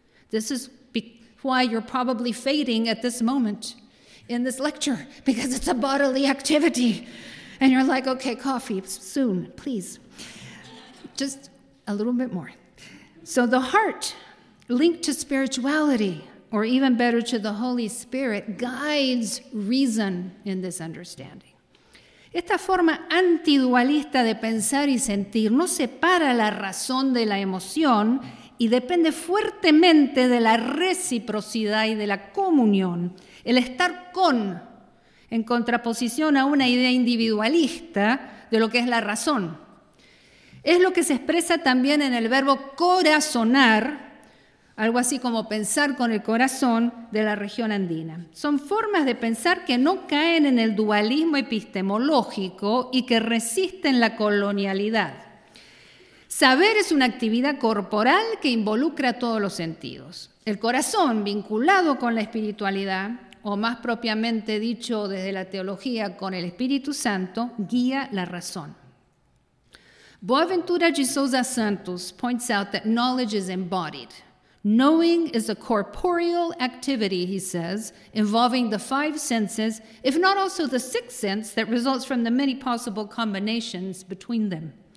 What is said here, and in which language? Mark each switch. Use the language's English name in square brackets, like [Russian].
[English] This is why you're probably fading at this moment in this lecture, because it's a bodily activity. And you're like, okay, coffee, soon, please. Just a little bit more. So the heart, linked to spirituality, or even better, to the Holy Spirit, guides reason in this understanding. [Spanish] Esta forma antidualista de pensar y sentir no separa la razón de la emoción y depende fuertemente de la reciprocidad y de la comunión. El estar con, en contraposición a una idea individualista de lo que es la razón. Es lo que se expresa también en el verbo corazonar, algo así como pensar con el corazón de la región andina. Son formas de pensar que no caen en el dualismo epistemológico y que resisten la colonialidad. Saber es una actividad corporal que involucra todos los sentidos. El corazón, vinculado con la espiritualidad, o más propiamente dicho desde la teología, con el Espíritu Santo, guía la razón. [English] Boaventura de Sousa Santos points out that knowledge is embodied. Knowing is a corporeal activity, he says, involving the five senses, if not also the sixth sense that results from the many possible combinations between them.